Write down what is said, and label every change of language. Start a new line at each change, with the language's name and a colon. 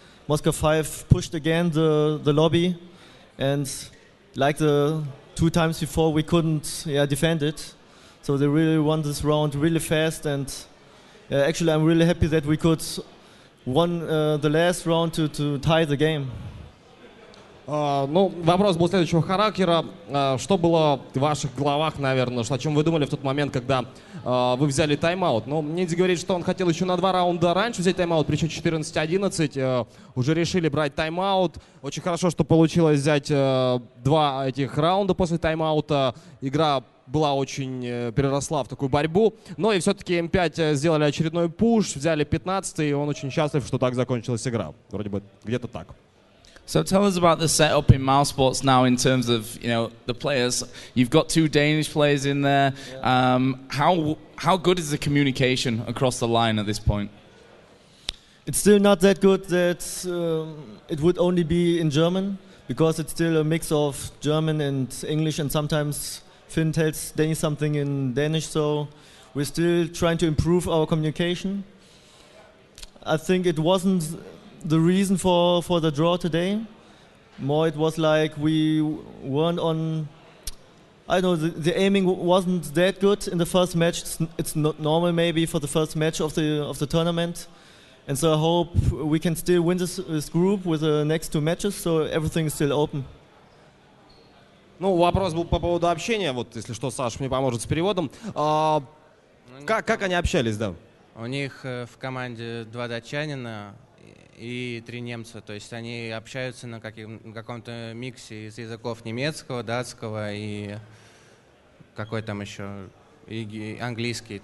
English: Moscow 5 pushed again the lobby, and like the two times before, we couldn't defend it. So they really won this round really fast, and actually I'm really happy that we could won the last round to tie the game.
Russian: Ну, вопрос был следующего характера. Что было в ваших головах, наверное, о чем вы думали в тот момент, когда вы взяли тайм-аут? Ну, Ниндзя говорит, что он хотел еще на два раунда раньше взять тайм-аут, причем 14-11, уже решили брать тайм-аут. Очень хорошо, что получилось взять два этих раунда после тайм-аута. Игра была очень, переросла в такую борьбу. Но и все-таки М5 сделали очередной пуш, взяли 15-й, и он очень счастлив, что так закончилась игра. Вроде бы где-то так.
English: So tell us about the setup in Mousesports now in terms of, you know, the players. You've got two Danish players in there. Yeah. How good is the communication across the line at this point? It's still not that good that it would only be in German, because it's still a mix of German and English, and sometimes Finn tells Danny something in Danish, so we're still trying to improve our communication. I think it wasn't the reason for the draw today. More it was like we weren't on, I don't know, the aiming wasn't that good in the first match. It's not normal maybe for the first match of the tournament. And so I hope we can still win this group with the next two matches, so everything is still open.
Russian: Ну, вопрос был по поводу общения. Вот, если что, Саш мне поможет с переводом. Как они общались, да? У них в команде два датчанина и три немца, то есть они общаются на каком-то миксе из языков немецкого, датского и какой там еще, и английский.